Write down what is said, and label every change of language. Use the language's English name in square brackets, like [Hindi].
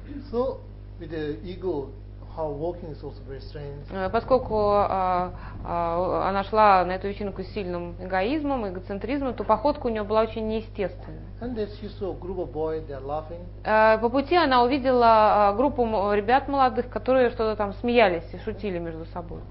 [English] So, with the ego, her walking is also very strange. [Russian] Поскольку она шла на эту вечеринку с сильным эгоизмом, эгоцентризмом, то походка у нее была очень неестественной. [English] And then she saw a group of boys, they're laughing. [Russian] По пути она увидела группу ребят молодых, которые что-то там смеялись и шутили между собой.